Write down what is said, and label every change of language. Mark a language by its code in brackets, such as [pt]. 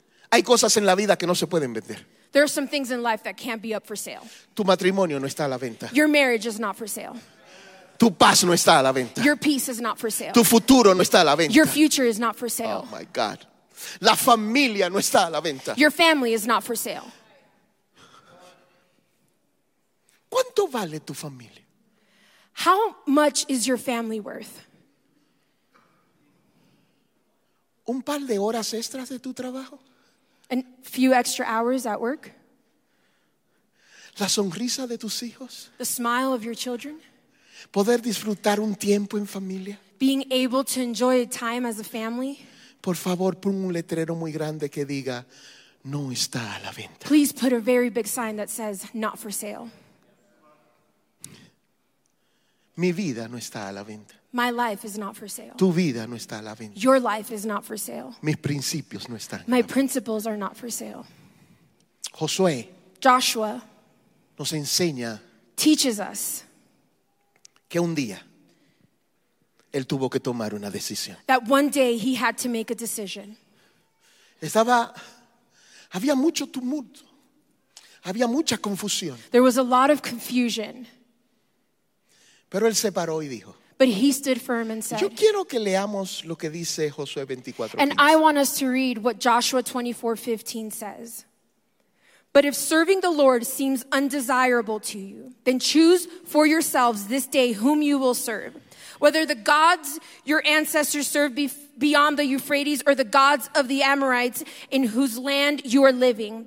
[es] Hay cosas en la vida que no se pueden vender. [en] There are some things in life that can't be up for sale. [es] Tu matrimonio no está a la venta. [en] Your marriage is not for sale. [es] Tu paz no está a la venta. [en] Your peace is not for sale. [es] Tu futuro no está a la venta. [en] Your future is not for sale. Oh my God. [es] La familia no está a la venta. [en] Your family is not for sale. [es] ¿Cuánto vale tu familia? [en] How much is your family worth? [es] ¿Un par de horas extras de tu trabajo? [en] A few extra hours at work? [es] La sonrisa de tus hijos? [en] The smile of your children? [es] Poder disfrutar un tiempo en familia? [en] Being able to enjoy a time as a family? [es] Por favor, pon un letrero muy grande que diga, no está a la venta. [en] Please put a very big sign that says, not for sale. [es] Mi vida no está a la venta. [en] My life is not for sale. [es] Tu vida no está a la venta. [en] Your life is not for sale. [es] Mis principios no están. [en] My principles are not for sale. [es] Josué. [en] Joshua. [es] Nos enseña. [en] Teaches us. [es] Que un día. Él tuvo que tomar una decisión. [en] That one day he had to make a decision. [es] Estaba. Había mucho tumulto. Había mucha confusión. [en] There was a lot of confusion. [es] Pero él se paró y dijo. [en] But he stood firm and said. [es] Yo quiero que leamos lo que dice Josué 24:15. [en] And I want us to read what Joshua 24:15 says. But if serving the Lord seems undesirable to you, then choose for yourselves this day whom you will serve. Whether the gods your ancestors served beyond the Euphrates or the gods of the Amorites in whose land you are living.